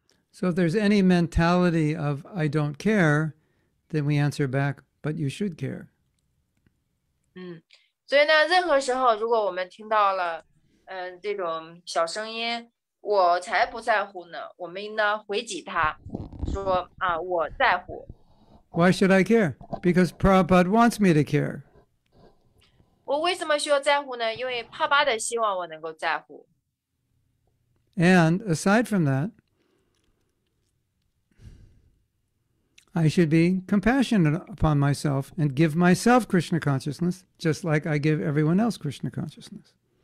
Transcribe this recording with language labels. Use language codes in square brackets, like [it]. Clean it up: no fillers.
[en] So if there's any mentality of I don't care, then we answer back, but you should care. [zh] 所以呢,任何时候如果我们听到了这种小声音,我才不在乎呢,我们应当回击他,说我在乎。 [en] Why should I care? Because Prabhupada wants me to care. [zh] 我为什么需要在乎呢? 因为帕巴的希望我能够在乎。 [en] And aside from that, I should be compassionate upon myself and give myself Krishna consciousness, just like I give everyone else Krishna consciousness.